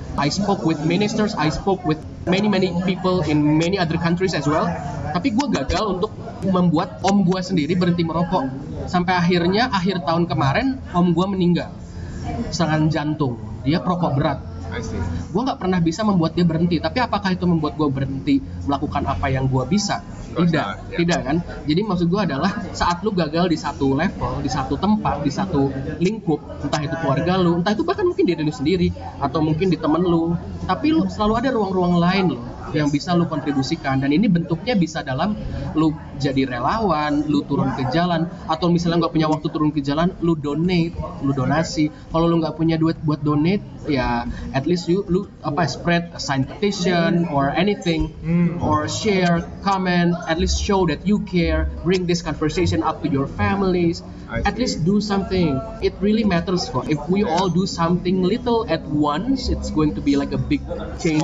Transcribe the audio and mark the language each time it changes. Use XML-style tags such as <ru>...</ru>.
<en>I spoke with ministers, I spoke with many many people in many other countries as well.</en> <id>Tapi gue gagal untuk membuat om gue sendiri berhenti merokok. Sampai akhirnya akhir tahun kemarin om gue meninggal serangan jantung. Dia perokok berat. Gue gak pernah bisa membuat dia berhenti. Tapi apakah itu membuat gue berhenti melakukan apa yang gue bisa? Tidak, tidak kan? Jadi maksud gue adalah saat lu gagal di satu level, di satu tempat, di satu lingkup, entah itu keluarga lu, entah itu bahkan mungkin diri lu sendiri, atau mungkin di temen lu, tapi lu selalu ada ruang-ruang lain loh yang bisa lu kontribusikan. Dan ini bentuknya bisa dalam lu jadi relawan, lu turun ke jalan, atau misalnya nggak punya waktu turun ke jalan, lu donate, lu donasi. Kalau lu nggak punya duit buat donate, ya at least lu apa,</id> <en>spread a sign petition or anything, or share, comment, at least show that you care, bring this conversation up to your families, at least do something. It really matters, kok. If we all do something little at once, it's going to be like a big change.</en>